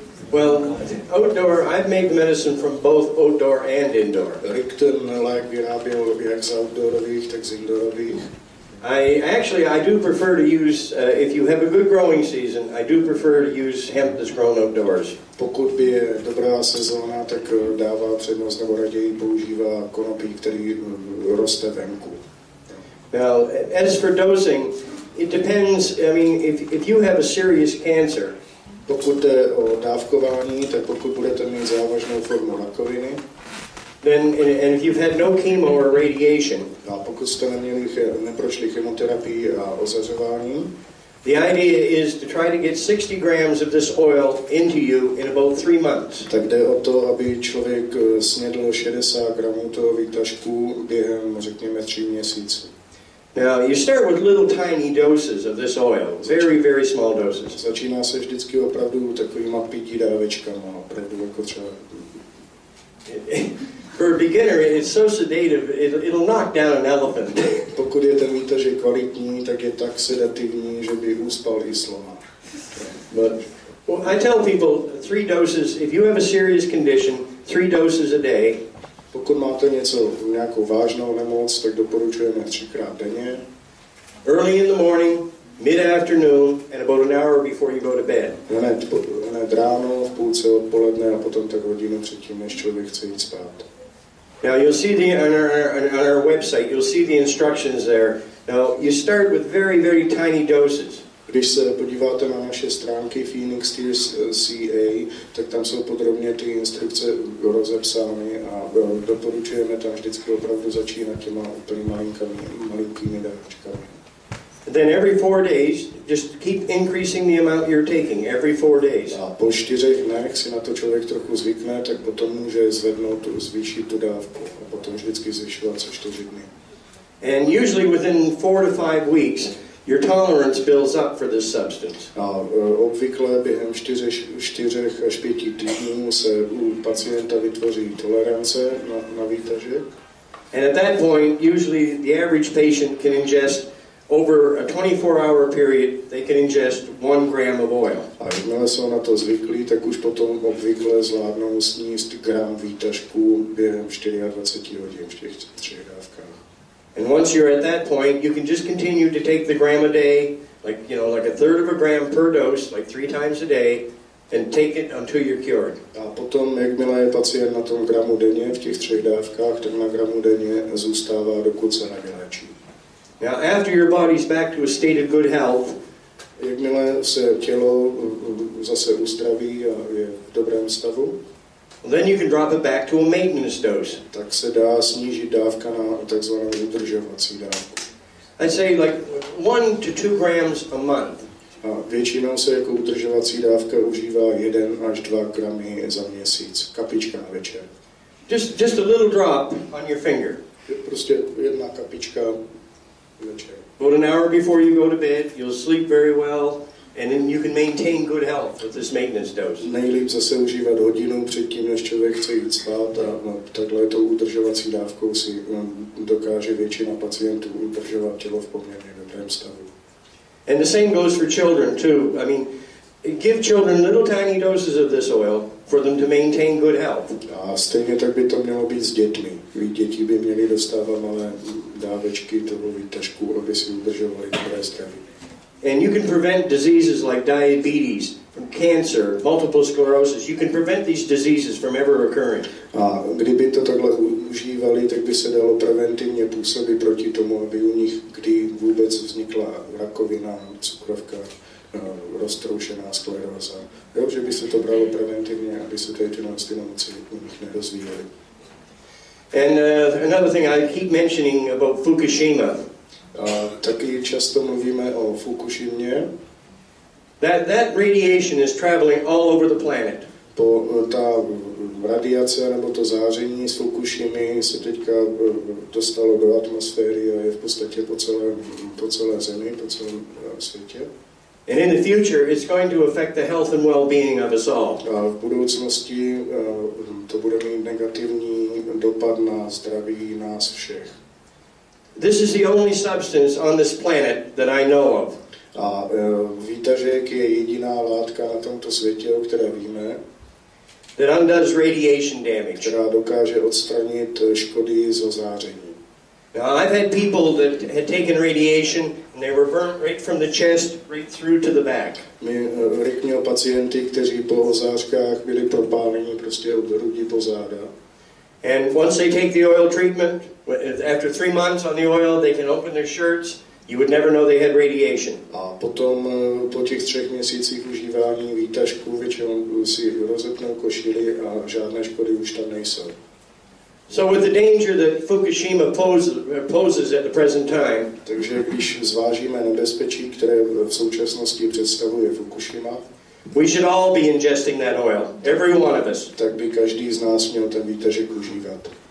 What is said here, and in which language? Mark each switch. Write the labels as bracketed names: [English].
[English] Well, outdoor, I've made medicine from both outdoor and indoor. [Czech] Rick ten lék vyráběl jak z outdoorových, tak z indoorových. [English] I do prefer to use, if you have a good growing season, I do prefer to use hemp that's grown outdoors. [Czech] Pokud by je dobrá sezóna, tak dává přednost nebo raději používá konopí, který roste venku. [English] Now, as for dosing, it depends, I mean, if you have a serious cancer. [Czech] Pokud jde o dávkování, tak pokud budete mít závažnou formu rakoviny. [English] Then, and if you've had no chemo or radiation. [Czech] A pokud jste neměli, neprošli chemoterapii a ozařování. [English] The idea is to try to get 60 grams of this oil into you in about 3 months. [Czech] Tak jde o to, aby člověk snědl 60 gramů toho výtažku během, řekněme, 3 měsíců. [English] Now you start with little tiny doses of this oil, very very small doses. [Czech] Začíná se vždycky opravdu takovýma pití dávečkama, opravdu jako třeba. [English] For a beginner, it's so sedative, it'll knock down an elephant. [Czech] Pokud je ten výtažek kvalitní, tak je tak sedativní, že by uspal i slona. [English] But well, I tell people 3 doses. If you have a serious condition, 3 doses a day. [Czech] Pokud máte něco, nějakou vážnou nemoc, tak doporučujeme 3x denně. [English] Early in the morning, mid-afternoon, and about an hour before you go to bed. [Czech] Hned ráno, v půlce odpoledne a potom tak hodinu předtím, než člověk chce jít spát. [English] Now you'll see on our website, you'll see the instructions there. Now you start with very, very tiny doses. [Czech] Když se podíváte na naše stránky Phoenix Tears CA, tak tam jsou podrobně ty instrukce rozepsány a doporučujeme tam vždycky opravdu začínat těma úplně malinkými dávkami. [English] Then every 4 days, just keep increasing the amount you're taking, every 4 days. [Czech] A po 4 dnech si na to člověk trochu zvykne, tak potom může zvýšit tu dávku a potom vždycky zvyšovat se 4 dny. [English] And usually within 4 to 5 weeks, your tolerance builds up for this substance. [Czech] A obvykle během 4 až 5 týdnů se u pacienta vytvoří tolerance na výtažek. [English] And at that point, usually the average patient can ingest over a 24-hour period, they can ingest 1 gram of oil. [Czech] A jakmile jsou na to zvyklí, tak už potom obvykle zvládnou sníst gram výtažku během 24 hodin v těch 3 dávkách. [English] And once you're at that point, you can just continue to take the gram a day, like, you know, like a third of a gram per dose, like 3 times a day, and take it until you're cured. [Czech] A potom, jakmile je pacient na tom gramu denně, v těch 3 dávkách, ten na gramu denně zůstává, dokud se nevylečí. [English] Now, after your body's back to a state of good health, [Czech] jakmile se tělo zase uzdraví a je v dobrém stavu, [English] well, then you can drop it back to a maintenance dose. [Czech] Tak se dá snížit dávka na takzvanou udržovací dávku. [English] I'd say like 1 to 2 grams a month. [Czech] A většinou se jako udržovací dávka užívá 1 až 2 gramy za měsíc, kapička na večer. [English] Just a little drop on your finger. [Czech] Prostě jedna kapička večer. [English] About an hour before you go to bed, you'll sleep very well. And then you can maintain good health with this maintenance dose. [Czech] Nejlíp zase užívat hodinu předtím, než člověk chce jít spát, a takhle tou udržovací dávkou si dokáže většina pacientů udržovat tělo v poměrně dobrém stavu. [English] And the same goes for children too. I mean, give children little tiny doses of this oil for them to maintain good health. [Czech] A stejně tak by to mělo být s dětmi. Děti by měly dostávat malé dávečky toho výtažku, aby si udržovali dobré zdraví. [English] And you can prevent diseases like diabetes, cancer, multiple sclerosis. You can prevent these diseases from ever occurring. [Czech] A kdyby to takhle užívali, tak by se dalo preventivně působit proti tomu, aby u nich kdy vůbec vznikla rakovina, cukrovka, roztroušená skleróza. Jo, že by se to bralo preventivně, aby se ty nemoci u nich nerozvíjely. [English] And another thing I keep mentioning about Fukushima. [Czech] Taky často mluvíme o Fukušimě. [English] That radiation is traveling all over the planet. [Czech] To ta radiace nebo to záření z Fukušimy se teďka dostalo do atmosféry a je v podstatě po celé zemi, po celém světě. [English] And in the future it's going to affect the health and well-being of us all. [Czech] A v budoucnosti to bude mít negativní dopad na zdraví nás všech. [English] This is the only substance on this planet that I know of. [Czech] A výtažek je jediná látka na tomto světě, o které víme. [English] That undoes radiation damage. [Czech] Která dokáže odstranit škody zo záření. [English] Now, I've had people that had taken radiation and they were burnt right from the chest right through to the back. [Czech] Měl pacienty, kteří po ozářkách byli propáleni prostě od hrudi po záda. [English] And once they take the oil treatment, after 3 months on the oil, they can open their shirts. You would never know they had radiation. [Czech] A potom po těch 3 měsících užívání výtažku, většinou si rozepnou košily a žádné škody už tam nejsou. [English] So with the danger that Fukushima poses at the present time. [Czech] Takže když zvážíme nebezpečí, které v současnosti představuje Fukushima. [English] We should all be ingesting that oil, every one of us. [Czech] Tak by každý z nás měl ten výtažek užívat.